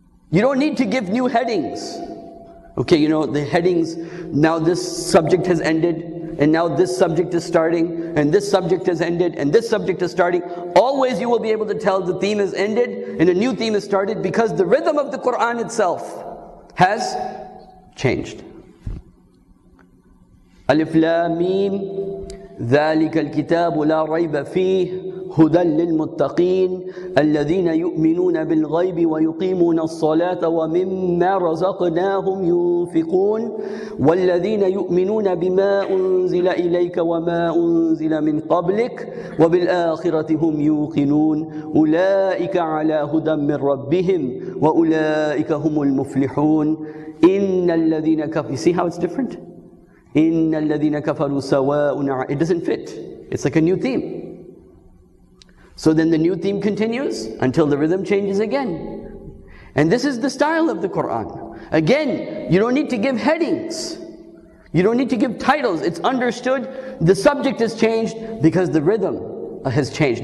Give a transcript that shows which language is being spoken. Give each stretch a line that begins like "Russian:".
English: You don't need to give new headings. Okay, you know, the headings, now this subject has ended, and now this subject is starting, and this subject has ended, and this subject is starting. Always you will be able to tell the theme has ended and a new theme has started because the rhythm of the Quran itself has changed.
Arabic: Alif Lam Mim, ذَلِكَ الْكِتَابُ لَا رَيْبَ فِيهِ هُدًى لِلْمُتَّقِينَ الَّذِينَ يُؤْمِنُونَ بِالْغَيْبِ وَيُقِيمُونَ الصَّلَاةَ وَمِمَّا رَزَقْنَاهُمْ يُنْفِقُونَ وَالَّذِينَ يُؤْمِنُونَ بِمَا أُنْزِلَ إِلَيْكَ وَمَا أُنْزِلَ مِنْ قَبْلِكَ وَبِالْآخِرَةِ هُمْ يُوقِنُونَ أُولَئِكَ عَلَى هُدًى مِنْ رَبِّهِمْ وَأُولَئِكَ هُمُ الْمُفْلِحُونَ إِنَّ الَّذِينَ كَفَرُوا
English: See how it's different?
Arabic: إِنَّ الَّذِينَ كَفَرُوا سَوَاءٌ
English: It doesn't fit. It's like a new theme. So then the new theme continues until the rhythm changes again. And this is the style of the Qur'an. Again, you don't need to give headings. You don't need to give titles. It's understood. The subject has changed because the rhythm has changed.